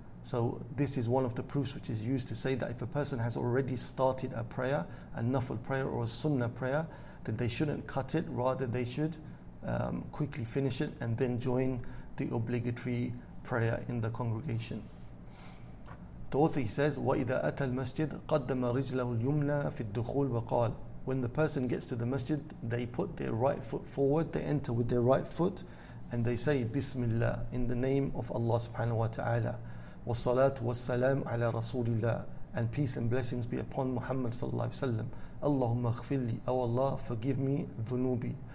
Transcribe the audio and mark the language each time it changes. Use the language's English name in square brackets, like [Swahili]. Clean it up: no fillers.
[English] So this is one of the proofs which is used to say that if a person has already started a prayer, a nafl prayer or a sunnah prayer, then they shouldn't cut it, rather they should quickly finish it and then join the obligatory prayer in the congregation. The author, he says, [Arabic] وَإِذَا أَتَى الْمَسْجِدْ قَدَّمَ رِجْلَهُ الْيُمْنَى فِي الدُّخُولِ وَقَالَ. [English] When the person gets to the masjid, they put their right foot forward, they enter with their right foot, and they say, Bismillah, in the name of Allah subhanahu wa ta'ala. [Arabic] والصلاة والسلام على رسول الله, [English] and peace and blessings be upon Muhammad sallallahu alaihi wasallam. [Arabic] اللهم اغفر لي, [English] O Allah, forgive me [Arabic] ذنوبي.